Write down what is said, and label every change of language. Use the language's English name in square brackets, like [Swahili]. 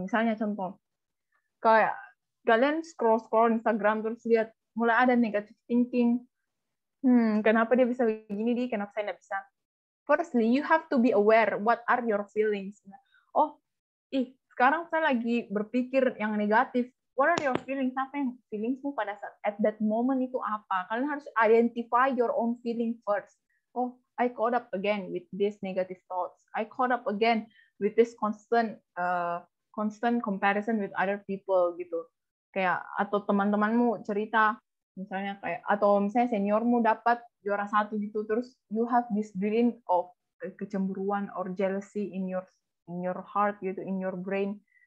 [Indonesian] Misalnya contoh, kayak kalian scroll-scroll Instagram terus lihat mulai ada negative thinking. Kenapa dia bisa begini di? Kenapa saya nggak bisa? [English] Firstly, you have to be aware what are your feelings. [Indonesian] Oh, sekarang saya lagi berpikir yang negatif. [English] What are your feelings? [Indonesian] Apa yang feelingsmu pada saat [English] at that moment [Indonesian] itu apa? Kalian harus [English] identify your own feeling first. Oh, I caught up again with this negative thoughts. I caught up again with this constant constant comparison with other people gitu. [Indonesian] Kayak atau teman-temanmu cerita misalnya kayak atau misalnya seniormu dapat juara satu gitu terus [English] you have this feeling of [Indonesian] kecemburuan [English] or jealousy in your heart [Indonesian] gitu, [English] in your brain.